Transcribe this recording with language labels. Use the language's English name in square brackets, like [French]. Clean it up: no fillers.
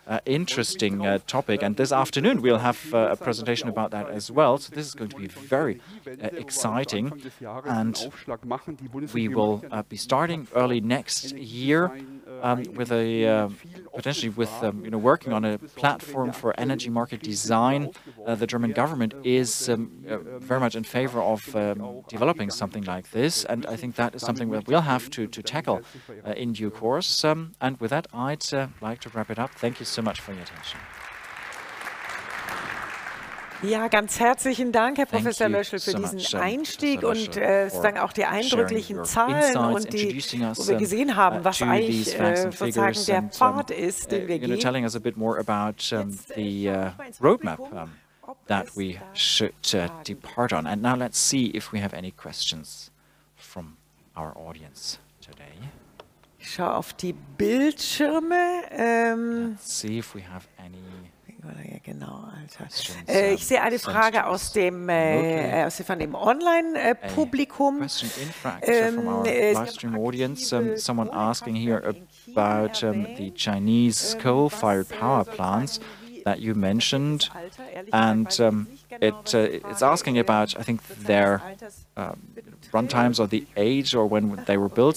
[English] interesting topic, and this afternoon we'll have a presentation about that as well, so this is going to be very exciting, and we will be starting early next year with a potentially with working on a platform for energy market design. The German government is very much in favor of developing something like this, and I think that is something that we'll have to tackle in due course. And with that, I'd like to wrap it up. Thank you so much for your attention. [German] Ja, ganz herzlichen Dank, Herr Professor Löschel, für diesen Einstieg und sozusagen auch die eindrücklichen Zahlen und die, wo wir gesehen haben, was eigentlich sozusagen der Pfad ist, den wir gehen. [English] Telling us a bit more about the roadmap that we should depart on. And now let's see if we have any questions from our audience today. [German] Ich schaue auf die Bildschirme. [English] Let's see if we have any. [German] Ja, genau, Alter. Ich sehe eine Frage aus dem, von dem Online-Publikum. [English] Someone asking here about the Chinese coal-fired power plants that you mentioned, and it's asking about, I think, their run times or the age or when they were built.